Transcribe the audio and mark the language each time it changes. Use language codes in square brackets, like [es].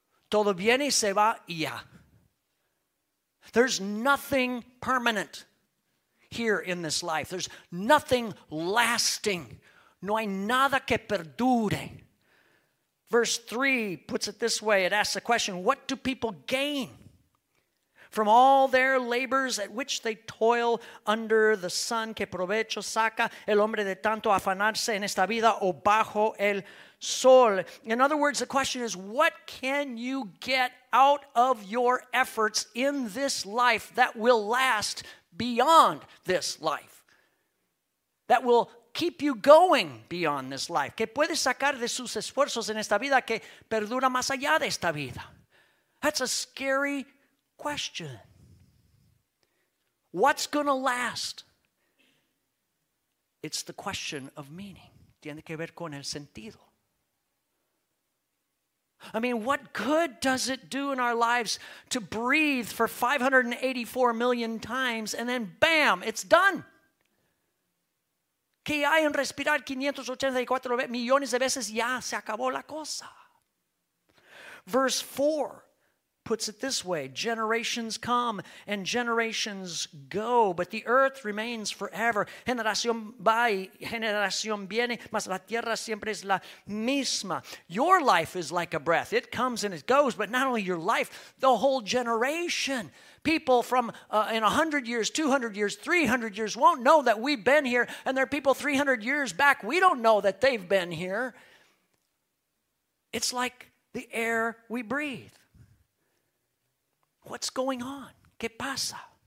[es] Todo viene y se va, y ya. [en] There's nothing permanent here in this life. There's nothing lasting. [es] No hay nada que perdure. [en] Verse 3 puts it this way. It asks the question, what do people gain from all their labors at which they toil under the sun? [es] ¿Qué provecho saca el hombre de tanto afanarse en esta vida o bajo el sol? [en] In other words, the question is, what can you get out of your efforts in this life that will last beyond this life? That will keep you going beyond this life. [es] ¿Qué puedes sacar de sus esfuerzos en esta vida que perdura más allá de esta vida? [en] That's a scary question. What's going to last? It's the question of meaning. [es] Tiene que ver con el sentido. [en] I mean, what good does it do in our lives to breathe for 584 million times and then bam, it's done? [es] ¿Qué hay en respirar 584 millones de veces? Ya se acabó la cosa. [en] Verse 4 puts it this way. Generations come and generations go, but the earth remains forever. [es] Generación va y generación viene, mas la tierra siempre es la misma. [en] Your life is like a breath. It comes and it goes, but not only your life, the whole generation. People from in 100 years, 200 years, 300 years won't know that we've been here, and there are people 300 years back, we don't know that they've been here. It's like the air we breathe. What's going on? [es] ¿Qué pasa?